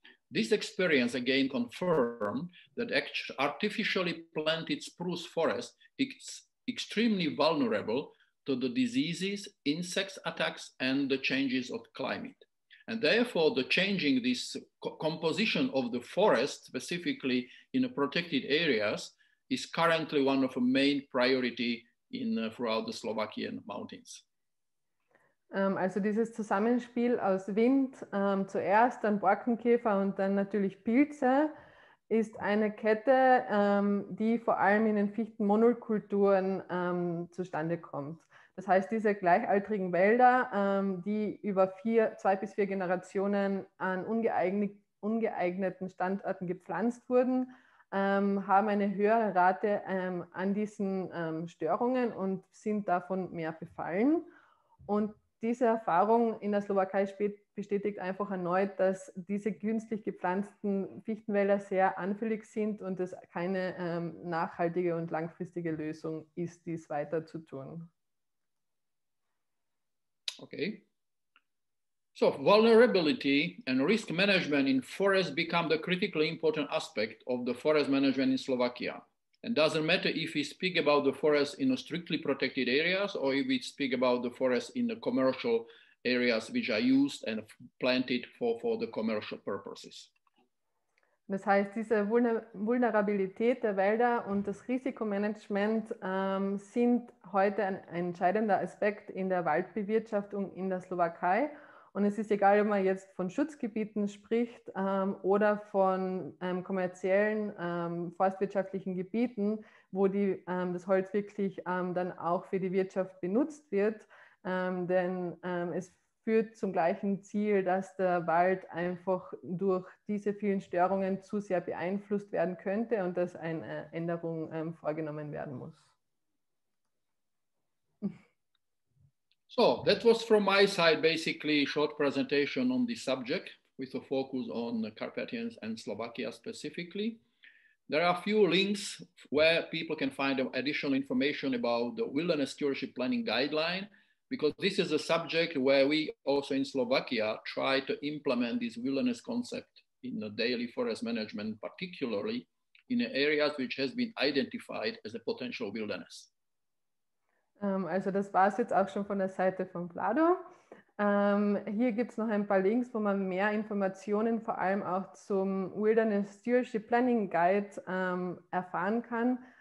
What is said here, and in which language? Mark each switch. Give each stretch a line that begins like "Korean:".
English: This experience again confirmed that artificially planted spruce forest is extremely vulnerable to the diseases, insects attacks, and the changes of climate. And therefore, the changing this composition of the forest, specifically in the protected areas, is currently one of the main priority in throughout the Slovakian mountains.
German: Also dieses Zusammenspiel aus Wind zuerst, dann Borkenkäfer und dann natürlich Pilze ist eine Kette, die vor allem in den Fichtenmonokulturen zustande kommt. Das heißt, diese gleichaltrigen Wälder, die über 2 bis 4 Generationen an ungeeigneten Standorten gepflanzt wurden, haben eine höhere Rate an diesen Störungen und sind davon mehr befallen. Und diese Erfahrung in der Slowakei bestätigt einfach erneut, dass diese künstlich gepflanzten Fichtenwälder sehr anfällig sind und es keine nachhaltige und langfristige Lösung ist, dies weiter zu tun.
English: Okay. So, vulnerability and risk management in forests become the critically important aspect of the forest management in Slovakia. And doesn't matter if we speak about the forest in a strictly protected areas or if we speak about the forest in the commercial areas which are used and planted for the commercial purposes.
German: Das heißt, diese Vulnerabilität der Wälder und das Risikomanagement sind heute ein entscheidender Aspekt in der Waldbewirtschaftung in der Slowakei. Und es ist egal, ob man jetzt von Schutzgebieten spricht oder von kommerziellen forstwirtschaftlichen Gebieten, wo das Holz wirklich dann auch für die Wirtschaft benutzt wird. Denn es führt zum gleichen Ziel, dass der Wald einfach durch diese vielen Störungen zu sehr beeinflusst werden könnte und dass eine Änderung vorgenommen werden muss.
English: So, that was from my side basically a short presentation on the subject with a focus on Carpathians and Slovakia specifically. There are a few links where people can find additional information about the wilderness stewardship planning guideline, because this is a subject where we also in Slovakia try to implement this wilderness concept in the daily forest management, particularly in areas which has been identified as a potential wilderness.
German: Also das war es jetzt auch schon von der Seite von Vlado. Hier gibt es noch ein paar Links, wo man mehr Informationen vor allem auch zum Wilderness Stewardship Planning Guide erfahren kann.